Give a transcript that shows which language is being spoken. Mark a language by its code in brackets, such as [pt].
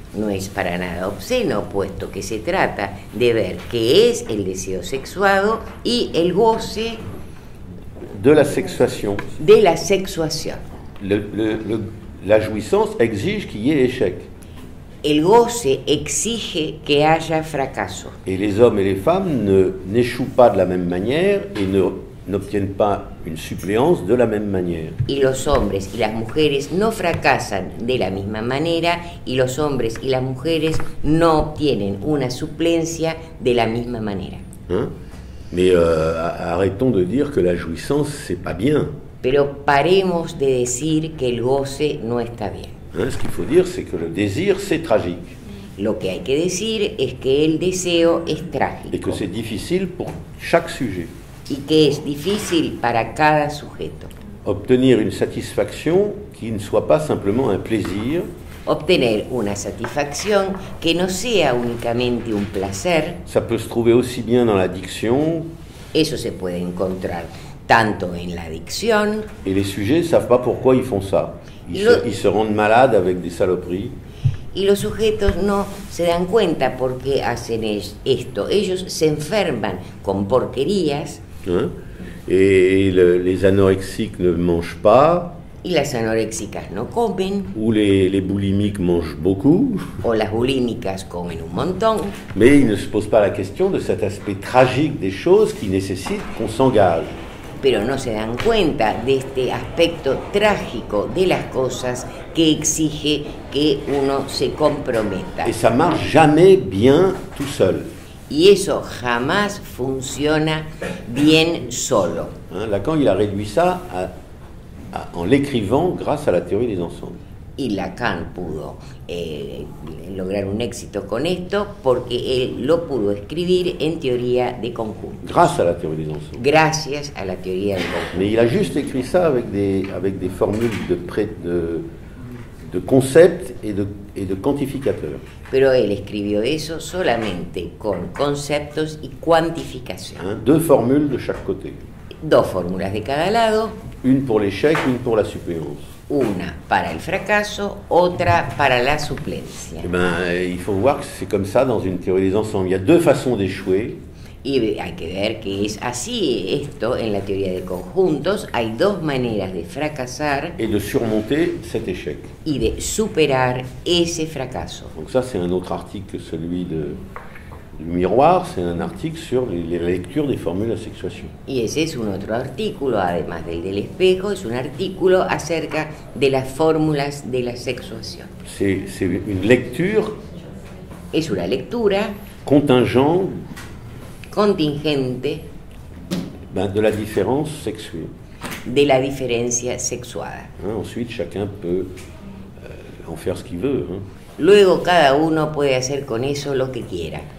[es] No es para nada obsceno, puesto que se trata de ver qué es el deseo sexuado y el goce de la sexuación. De la sexuación. [fr] La jouissance exige qu'il y ait échec. [es] El goce exige que haya fracaso. [fr] Et les hommes et les femmes n'échouent pas de la même manière et n'obtiennent pas une suppléance de la même manière. [es] Y los hombres y las mujeres no fracasan de la misma manera y los hombres y las mujeres no obtienen una suplencia de la misma manera. Hein? [fr] Mais arrêtons de dire que la jouissance c'est pas bien. [es] Pero paremos de decir que el goce no está bien. [fr] Hein, ce qu'il faut dire c'est que le désir c'est tragique. [es] Lo que hay que decir es que el deseo es trágico. [fr] Et que c'est difficile pour chaque sujet. [es] Y que es difícil para cada sujeto. [fr] Obtenir une satisfaction qui ne soit pas simplement un plaisir. [es] Obtener una satisfacción que no sea únicamente un placer. [fr] Ça peut se trouver aussi bien dans la diction. [es] Eso se puede encontrar tanto en la diction. [fr] Et les sujets savent pas pourquoi ils font ça. Ils se rendent malades avec des saloperies. [es] Y los sujetos no se dan cuenta por qué hacen esto. Ellos se enferman con porquerías. [fr] Hein? Et les anorexiques ne mangent pas. [es] Y las anoréxicas no comen. [fr] Ou les boulimiques mangent beaucoup. [es] O las bulímicas comen un montón. [fr] Mais ils ne se posent pas la question de cet aspect tragique des choses qui nécessite qu'on s'engage. [es] Pero no se dan cuenta de este aspecto trágico de las cosas que exige que uno se comprometa. [fr] Et ça marche jamais bien tout seul. [es] Y eso jamás funciona bien solo. [fr] Hein, Lacan, il a réduit ça à en l'écrivant grâce à la théorie des ensembles. [es] Y Lacan pudo lograr un éxito con esto porque él lo pudo escribir en teoría de conjuntos. [fr] Grâce à la théorie des ensembles. [es] Gracias a la teoría de conjuntos. [fr] Mais il a juste écrit ça avec des formules de concepts et de quantificateurs. [es] Pero él escribió eso solamente con conceptos y cuantificación. [fr] Hein, deux formules de chaque côté. [es] Dos fórmulas de cada lado. [fr] Une pour l'échec, une pour la suppléance. [es] Una para el fracaso, otra para la suplencia. [fr] Et ben, il faut voir que c'est comme ça dans une théorie des ensembles. Il y a deux façons d'échouer. [es] Y hay que ver que es así esto en la teoría de conjuntos. Hay dos maneras de fracasar. [fr] Et de surmonter cet échec. [es] Y de superar ese fracaso. [fr] Donc ça, c'est un autre article que celui de... Le miroir, c'est un article sur les lectures des formules à sexuation. [es] Y ese es un otro artículo, además del espejo, es un artículo acerca de las fórmulas de la sexuación. [fr] C'est une lecture. [es] Es una lectura. [fr] Contingente. Ben, de la différence sexuée. [es] De la diferencia sexuada. [fr] Hein, ensuite, chacun peut en faire ce qu'il veut. Hein. [es] Luego, cada uno puede hacer con eso lo que quiera.